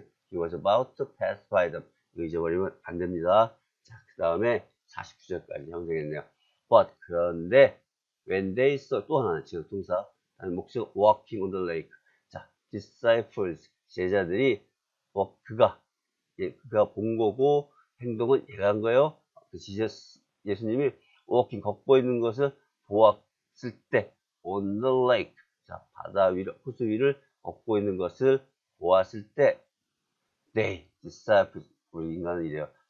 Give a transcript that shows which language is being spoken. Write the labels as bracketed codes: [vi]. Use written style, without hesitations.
[en] He was about to pass by them. [ko] 잊어버리면 안 됩니다. 자, 그 다음에 49절까지 형성했네요. [en] But, [ko] 그런데, [en] when they saw, [ko] 또 하나, 지금 동사, 목적, [en] walking on the lake. [ko] 자, disciples, 제자들이, 그가 본 거고, 행동은 얘가 한 거예요. 예수님이 walking, 걷고 있는 것을 보았을 때, [en] on the lake. [ko] 자, 바다 위로, 호수 위를 걷고 있는 것을 보았을 때, [en] they, disciples, [ko] 우리 인간은 이래요.